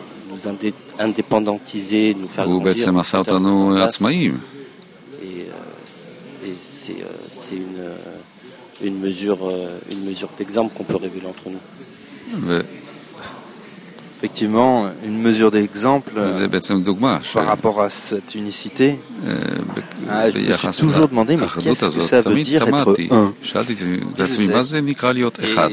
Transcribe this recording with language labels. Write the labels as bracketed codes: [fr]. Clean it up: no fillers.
[fr] nous indépendantiser, nous faire grandir. [he] הוא בעצם עשה אותנו עצמאים. [fr] Et c'est une mesure d'exemple qu'on peut révéler entre nous. Effectivement, une mesure d'exemple par rapport à cette unicité. Je me suis toujours demandé, mais qu'est-ce que ça veut dire être un?